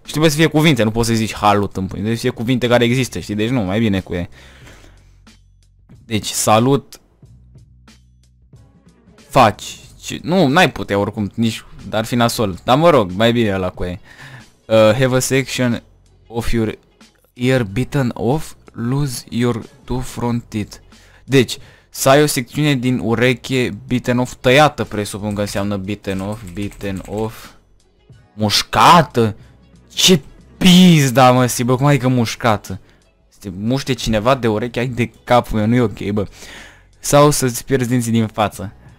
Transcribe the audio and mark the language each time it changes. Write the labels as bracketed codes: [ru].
[ro] Și trebuie să fie cuvinte, nu poți să zici halut în pui. Deci fie cuvinte care există, știi? Deci nu, mai bine cu e. Deci, salut. Faci. Ce? Nu, n-ai putea oricum, nici... Dar fi nasol. Dar mă rog, mai bine ăla cu e. [en] Have a section of your... ear bitten off, lose your two front teeth. [ro] Deci, să ai o secțiune din ureche [en] bitten off, [ro] tăiată, presupun că înseamnă bitten off, bitten off. Mușcată? Ce pizda, mă, si, bă, cum adică mușcată? Se muște cineva de ureche, ai de capul meu, nu e ok, bă. Sau să-ți pierzi dinții din față.